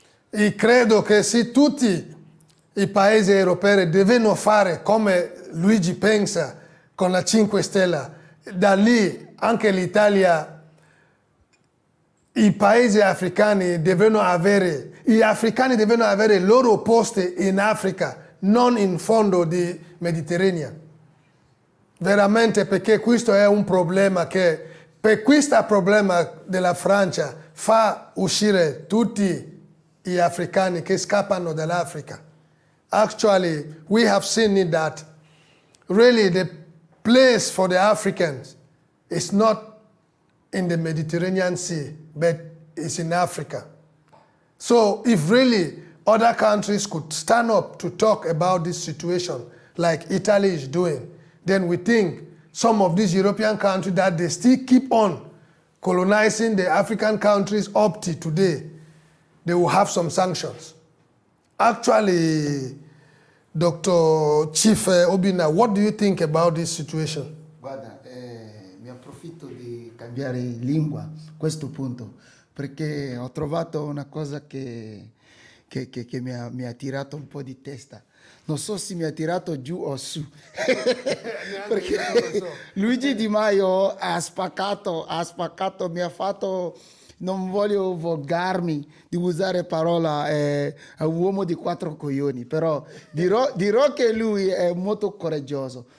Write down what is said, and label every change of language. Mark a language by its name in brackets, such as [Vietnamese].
[Italian] E credo che se tutti i paesi europei devono fare come Luigi pensa con la 5 Stelle, da lì anche l'Italia, i paesi africani devono avere, gli africani devono avere il loro posto in Africa, non in fondo di Mediterraneo. Veramente, perché questo è un problema che, per questo problema della Francia, fa uscire tutti gli africani che scappano dall'Africa. [English] Actually, we have seen it that really the place for the Africans is not in the Mediterranean Sea, but it's in Africa. So if really other countries could stand up to talk about this situation like Italy is doing, then we think some of these European countries that they still keep on colonizing the African countries up to today, they will have some sanctions. Actually, Dr. Chief Obinna, what do you think about this situation? [Italian] Guarda, mi approfitto di cambiare lingua a questo punto, perché ho trovato una cosa che mi ha tirato un po' di testa. Non so se mi ha tirato giù o su, perché Luigi Di Maio ha spaccato, mi ha fatto, non voglio volgarmi di usare parola, è un uomo di quattro coglioni, però dirò che lui è molto coraggioso.